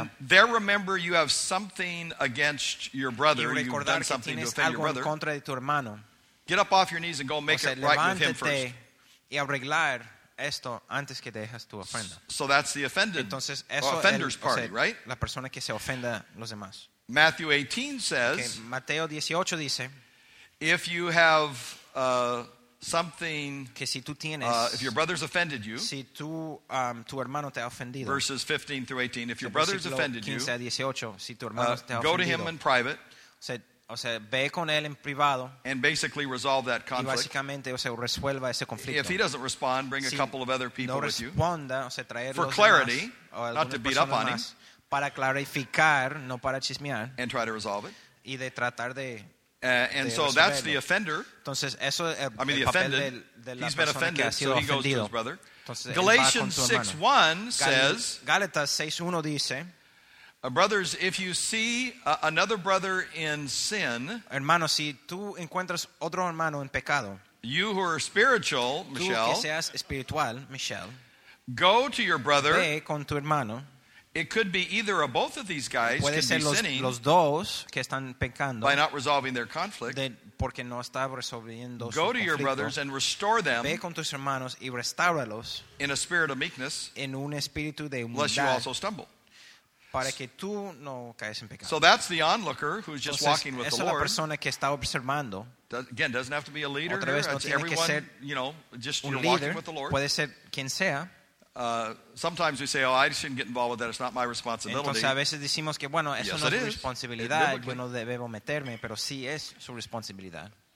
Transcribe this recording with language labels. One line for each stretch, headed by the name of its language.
English: and there remember you have something against your brother,
Spanish: y recordar
English: you've done something
Spanish: que tienes
English: to offend
Spanish: algo
English: your brother.
Spanish: En contra de tu hermano.
English: Get up off your knees and go make
Spanish: o sea,
English: it right with him first.
Spanish: Y arreglar esto antes que dejas tu ofrenda.
English: So that's the offended.
Spanish: Entonces, eso
English: offender's
Spanish: el,
English: party,
Spanish: o sea,
English: right?
Spanish: La persona que se ofenda los demás.
English: Matthew 18 says,
Spanish: okay, Mateo 18 dice,
English: if you have something,
Spanish: que si tú tienes,
English: if your brother's offended you,
Spanish: si tú, tu hermano te ha ofendido,
English: verses 15 through 18, if your brother's offended
Spanish: 15
English: you,
Spanish: a 18, si tu hermano te ha ofendido,
English: go to him in private.
Spanish: O sea, o sea, ve con él en privado
English: and basically resolve that conflict.
Spanish: Y básicamente, o sea, resuelva ese conflicto.
English: If he doesn't respond, bring
Spanish: si
English: a couple of other people
Spanish: no responda,
English: with you.
Spanish: O sea, traer
English: for clarity,
Spanish: demás,
English: not to beat up on him.
Spanish: Para clarificar, no para chismear.
English: And try to resolve it.
Spanish: Y de tratar de
English: and so that's the offender.
Spanish: Entonces, eso es
English: I mean, the offended. He's been offended,
Spanish: que ha sido
English: so he goes
Spanish: ofendido.
English: To his brother.
Spanish: Entonces,
English: Galatians 6:1 says,
Spanish: Gálatas 6:1 dice,
English: brothers, if you see another brother in sin,
Spanish: hermano, si tú encuentras otro hermano en pecado,
English: you who are spiritual, Michelle,
Spanish: tú que seas espiritual, Michelle,
English: go to your brother.
Spanish: Ve con tu hermano.
English: It could be either or both of these guys
Spanish: puede
English: can
Spanish: ser
English: be
Spanish: los,
English: sinning
Spanish: los dos que están pecando
English: by not resolving their conflict.
Spanish: De, porque no está resolviendo
English: go
Spanish: su conflicto.
English: Go to your brothers and restore them.
Spanish: Ve con tus hermanos y restáuralos
English: in a spirit of meekness.
Spanish: En un espíritu de humildad.
English: Lest you also stumble.
Spanish: Para que tú no caes en pecado.
English: So that's the onlooker who's just
Spanish: entonces,
English: walking with the Lord.
Spanish: Esa es la persona que está observando.
English: Again, doesn't have to be a leader.
Spanish: Otra vez, no
English: it's everyone, you know, just you're leader. Walking with the Lord.
Spanish: Puede ser quien sea.
English: Sometimes we say, oh, I shouldn't get involved with that. It's not my responsibility.
Spanish: Entonces a veces decimos que, bueno, eso
English: yes,
Spanish: no es mi responsabilidad. Yo no debo meterme, pero sí es su responsabilidad.